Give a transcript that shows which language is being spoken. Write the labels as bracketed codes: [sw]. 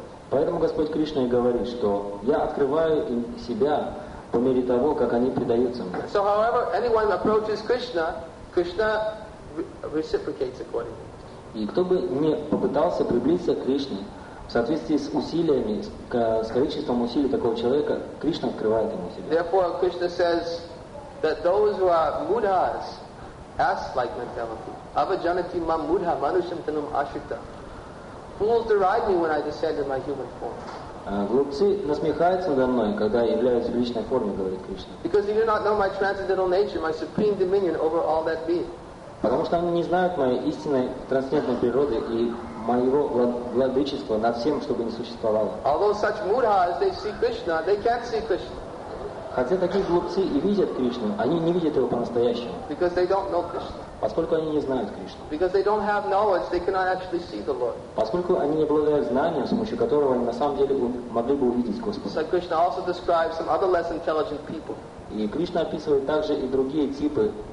[ru] Поэтому Господь Кришна и говорит, что я открываю им себя по мере того, как они предаются мне. [en] So, however, anyone approaches Krishna, Krishna reciprocates accordingly. [ru] И кто бы ни попытался приблизиться к Кришне, в соответствии с усилиями, с количеством усилий такого человека, Кришна открывает ему себя. [en] Therefore, Krishna says that those who are mudhas, ass-like mentality, [sa] avajanati mam mudha manushyam tanum ashita, [en] fools deride me when I descend in my human form. [ru] Глупцы насмехаются надо мной, когда я являюсь в личной форме, говорит Кришна. [en] Because they do not know my transcendental nature, my supreme dominion over all that being. [ru] Потому что они не знают моей истинной трансцендентной природы и моего владычества над всем, что бы ни существовало. [en] Although such mudhas, they see Krishna, they can't see Krishna. [ru] Хотя такие глупцы и видят Кришну, они не видят его по-настоящему. [en] Because they don't know Krishna. [ru] Поскольку они не знают Кришну. [en] Because they don't have knowledge, they cannot actually see the Lord. [ru] Поскольку они не обладают знанием, с помощью которого они на самом деле могли бы увидеть Господа. [en] So Krishna also describes some other less intelligent people. [ru] И Кришна описывает также и другие типы